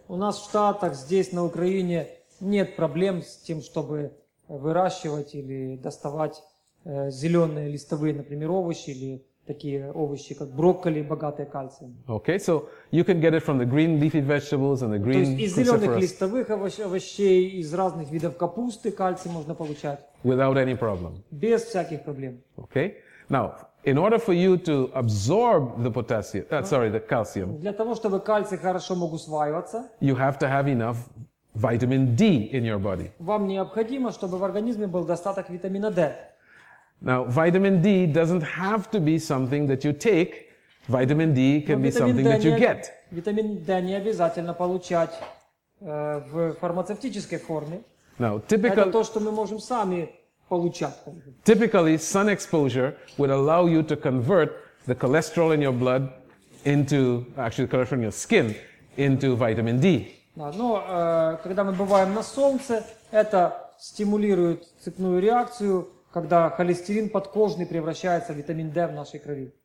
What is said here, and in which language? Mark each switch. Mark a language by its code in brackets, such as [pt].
[ru] У нас в Штатах здесь на Украине нет проблем с тем, чтобы выращивать или доставать зеленые листовые, например, овощи или такие овощи, как брокколи, богатые кальцием. [en] Okay, so you can get it from the green leafy vegetables and the green cruciferous. [ru] То есть из зеленых листовых овощей, из разных видов капусты кальций можно получать. [en] Without any problem. [ru] Без всяких проблем. [en] Okay, now in order for you to absorb the potassium, the calcium. [ru] Для того чтобы кальций хорошо мог усваиваться. [en] You have to have enough vitamin D in your body. [ru] Вам необходимо, чтобы в организме был достаток витамина D. [en] Now, vitamin D doesn't have to be something that you take. Vitamin D can be something that you get. [ru] Витамин D не обязательно получать в фармацевтической форме. [en] Now, typically, [ru] это то, что мы можем сами получать. [en] Typically, sun exposure would allow you to convert the cholesterol in your blood into, actually, cholesterol in your skin into vitamin D. [ru] Да, но когда мы бываем на солнце, это стимулирует цепную реакцию, когда холестерин подкожный превращается в витамин D в нашей крови.